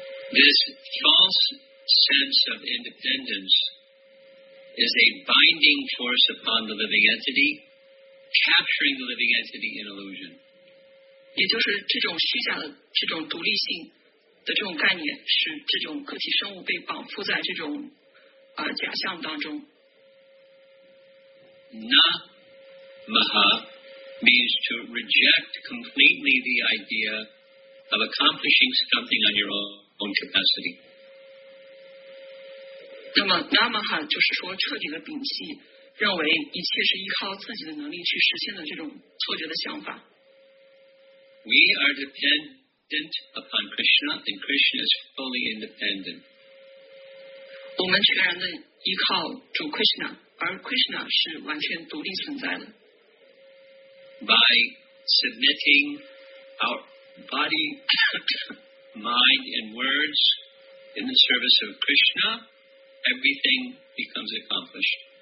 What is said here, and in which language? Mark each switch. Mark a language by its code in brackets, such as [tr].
[en] This false sense of independence is a binding force upon the living entity, capturing the living entity in illusion. [zh] 也就是这种虚假的这种独立性的这种概念，使这种个体生物被绑缚在这种, 假象当中。 [en] Not Maha means to reject completely the idea of accomplishing something on your own capacity. [zh] 那么Namaha就是说彻底的摒弃, 认为一切是依靠自己的能力去实现的这种错觉的想法。 [en] We are dependent upon Krishna, and Krishna is fully independent. [zh] 我们全然的依靠主Krishna, 而Krishna是完全独立存在的。 [en] By submitting our body, mind, and words in the service of Krishna, everything becomes accomplished.